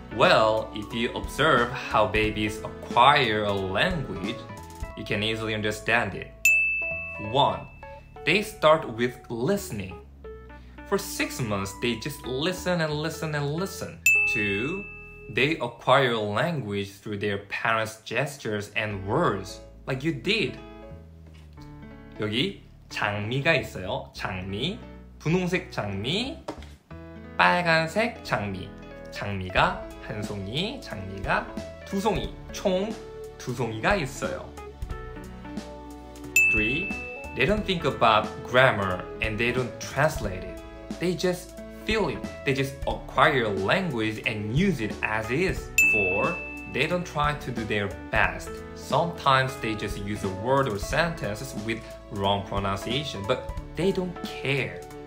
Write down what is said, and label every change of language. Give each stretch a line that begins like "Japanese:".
English: Well, if you observe how babies acquire a language, you can easily understand it. 1. They start with listening. For 6 months, they just listen and listen and listen. 2. They acquire language through their parents' gestures and words, like you did.
Korean: 여기 장미가 있어요. 장미, 분홍색 장미, 빨간색 장미. 장미가 한 송이, 장미가 두 송이, 총 두 송이가 있어요.
English: 3. They don't think about grammar and they don't translate it. They just feel it. They just acquire language and use it as is. 4. They don't try to do their best. Sometimes they just use a word or sentences with wrong pronunciation, but they don't care.